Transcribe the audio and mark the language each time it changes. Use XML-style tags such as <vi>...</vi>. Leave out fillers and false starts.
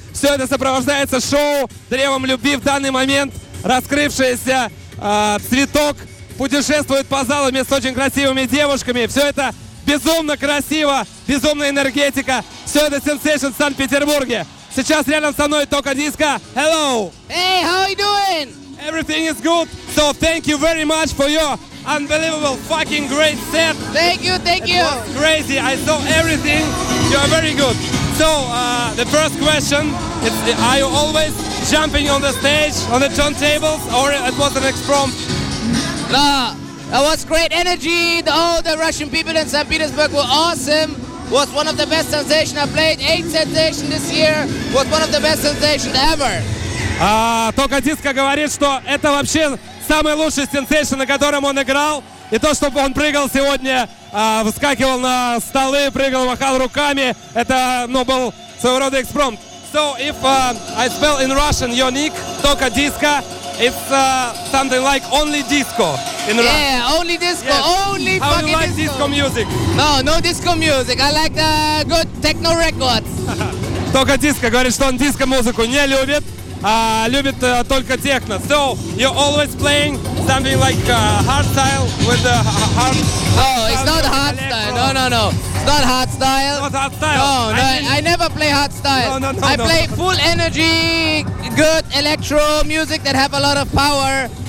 <ru>Все это сопровождается шоу «Древом любви». В данный момент раскрывшийся цветок путешествует по залу вместе с очень красивыми девушками. Все это безумно красиво, безумная энергетика. Все это Sensation в Санкт-Петербурге. Сейчас рядом со мной Тока Диско.</ru> <en>Hello! Hey, how are you doing? Everything is good. So thank you very much for your unbelievable fucking great set. Thank you. It was crazy. I saw everything. You are very good. So the first question is, are you always jumping on the stage, on the turntables, or it was an exprompt? That was great energy. All the Russian people in St. Petersburg were awesome. Was one of the best sensations I played. 8 sensations this year. Was one of the best sensations ever.</en> <ru>Тока Диско говорит, что это вообще самый лучший сенсейшн, на котором он играл. И то, что он прыгал сегодня, выскакивал на столы, прыгал, махал руками, это, ну, был своего рода экспромт.</ru> <en>So, if I spell in Russian your nick, Тока Диско, it's something like only disco in Russian. Yeah, only disco, yes. Only How fucking disco. How you like disco music? No disco music. I like the good techno records.</en> <ru>Тока Диско говорит, что он диско-музыку не любит. Любит только техно.</ru> <en>So, you're always playing something like hard style with the hard... No, it's not hard style. It's not hard style. Not hard style. No, I never play hard style. No, I play full energy, good electro music that have a lot of power.</en>